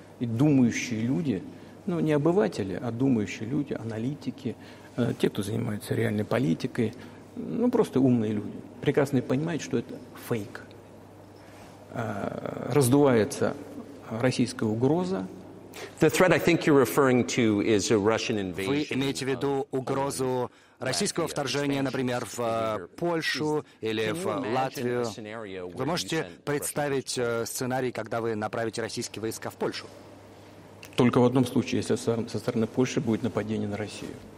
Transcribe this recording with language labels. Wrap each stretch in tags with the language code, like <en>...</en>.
<ru>И думающие люди, ну не обыватели, а думающие люди, аналитики, те, кто занимается реальной политикой, ну просто умные люди, прекрасно понимают, что это фейк. Раздувается российская угроза.</ru> <en>The threat, I think you're referring to, is a Russian invasion.</en> <ru>Вы имеете в виду угрозу российского вторжения, например, в Польшу или в Латвию? Вы можете представить сценарий, когда вы направите российские войска в Польшу? Только в одном случае, если со стороны Польши будет нападение на Россию.</ru>